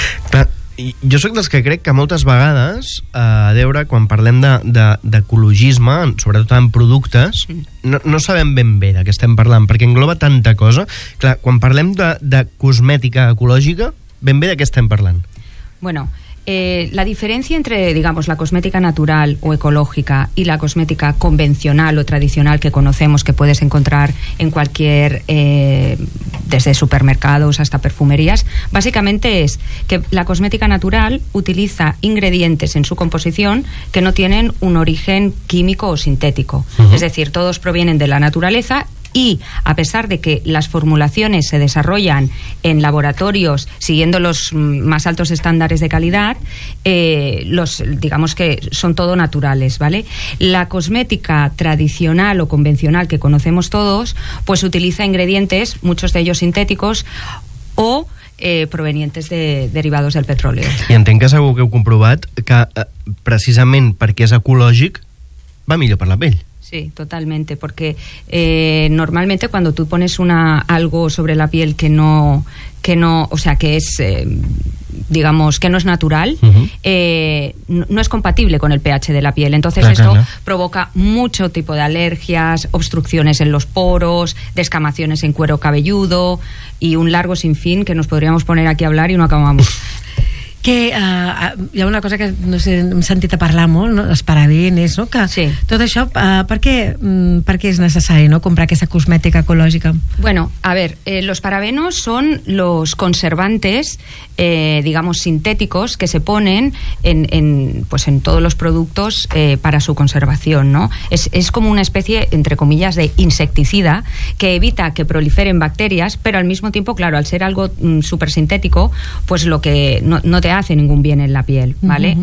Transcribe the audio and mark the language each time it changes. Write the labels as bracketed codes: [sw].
[ca] Clar, jo sóc dels que crec que moltes vegades, a veure, quan parlem d'ecologisme, sobretot en productes, no sabem ben bé de què estem parlant, perquè engloba tanta cosa. Clar, quan parlem de cosmètica ecològica, ben bé de què estem parlant? [es] Bueno, la diferencia entre, digamos, la cosmética natural o ecológica y la cosmética convencional o tradicional que conocemos, que puedes encontrar en cualquier, desde supermercados hasta perfumerías, básicamente es que la cosmética natural utiliza ingredientes en su composición que no tienen un origen químico o sintético. Uh-huh. Es decir, todos provienen de la naturaleza. Y a pesar de que las formulaciones se desarrollan en laboratorios siguiendo los más altos estándares de calidad, digamos que son todo naturales, ¿vale? La cosmética tradicional o convencional que conocemos todos, pues utiliza ingredientes, muchos de ellos sintéticos, o provenientes de derivados del petróleo. [ca] I entenc que segur que heu comprovat que precisament perquè és ecològic va millor per la pell. [es] Sí, totalmente, porque normalmente cuando tú pones algo sobre la piel que no, o sea, que es digamos, que no es natural, uh-huh. No es compatible con el pH de la piel. Entonces la esto caña. Provoca mucho tipo de alergias, obstrucciones en los poros, descamaciones en cuero cabelludo y un largo sinfín que nos podríamos poner aquí a hablar y no acabamos. [ca] Que hi ha una cosa que no sé, hem sentit a parlar molt, no? Els parabens, no? Que sí. Tot això, per què és necessari, no? Comprar aquesta cosmètica ecològica. [es] Bueno, a ver, los parabenos son los conservantes, digamos, sintéticos que se ponen en todos los productos para su conservación, ¿no? Es como una especie, entre comillas, de insecticida que evita que proliferen bacterias, pero al mismo tiempo, claro, al ser algo súper sintético, pues lo que no te hace ningún bien en la piel, ¿vale? Uh-huh.